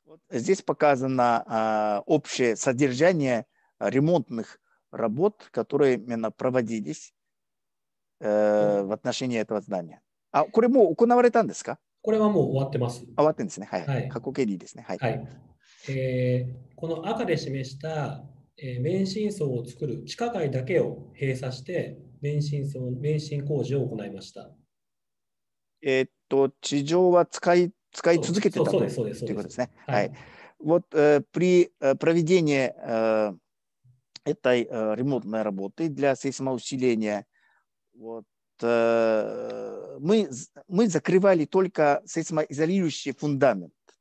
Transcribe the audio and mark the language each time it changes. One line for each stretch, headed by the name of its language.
Russian: Здесь показано общее содержание ремонтных работ, которые именно проводились в отношении этого здания.
Japanese: А, これもう行われたんですか？これはもう終わってます。終わってんですね。はい。はい、過去形でいいですね。はい。はい、この赤で示した、免震層を作る地下街だけを閉鎖して免震工事を行いました。地上は使い続けてたということですね。はい。はい、
Russian: вот, при проведении этой ремонтной работы для сейсмоусиления, вот, мы закрывали только сейсмоизолирующий фундамент.